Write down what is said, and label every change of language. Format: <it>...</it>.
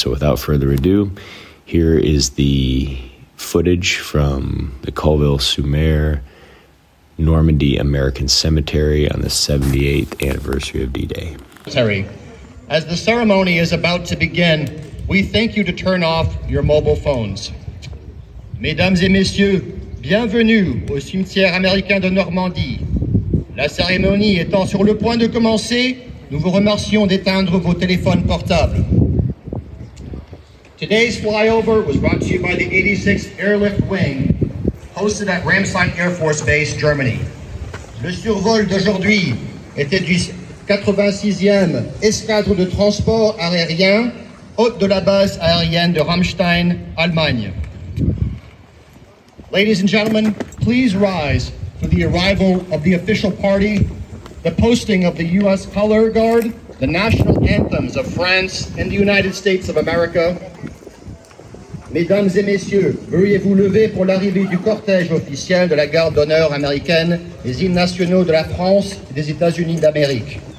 <en>So without further ado, here is the footage from the Colville-sur-Mer Normandy American Cemetery on the 78th anniversary of D-Day. Terry, as the ceremony is about to begin, we thank you to turn off your mobile phones.</en> <fr>Mesdames et messieurs, bienvenue au cimetière américain de Normandie. La cérémonie étant sur le point de commencer, nous vous remercions d'éteindre vos téléphones portables.</fr> <en>Today's flyover was brought to you by the 86th Airlift Wing, hosted at Ramstein Air Force Base, Germany.</en> <fr>Le survol d'aujourd'hui était du 86e escadre de transport aérien, hôte de la base aérienne de Ramstein, Allemagne.</fr> <en>Ladies and gentlemen, please rise for the arrival of the official party, the posting of the U.S. Color Guard, the national anthems of France and the United States of America.</en> <fr>Mesdames et messieurs, veuillez-vous lever pour l'arrivée du cortège officiel de la garde d'honneur américaine, les hymnes nationaux de la France et des États-Unis d'Amérique.</fr>